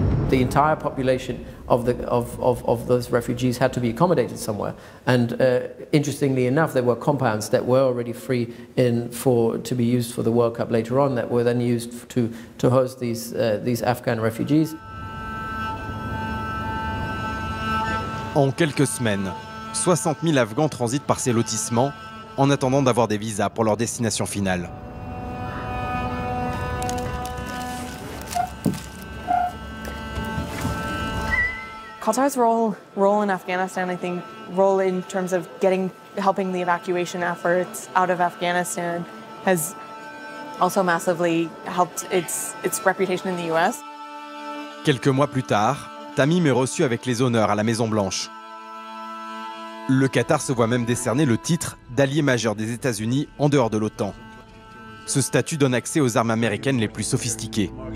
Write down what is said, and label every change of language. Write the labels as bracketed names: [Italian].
[English] The entire population of those refugees had to be accommodated somewhere, and interestingly enough, there were compounds that were already free to be used for the World Cup later on, that were then used to host these Afghan refugees. [French] En quelques semaines, 60 000 Afghans transitent par ces lotissements en attendant d'avoir des visas pour leur destination finale. [English] Qatar's role in Afghanistan, I think, role in terms of helping the evacuation efforts out of Afghanistan has also massively helped its reputation in the US. [French] Quelques mois plus tard, Tamim est reçu avec les honneurs à la Maison Blanche. Le Qatar se voit même décerner le titre d'allié majeur des États-Unis en dehors de l'OTAN. Ce statut donne accès aux armes américaines les plus sophistiquées.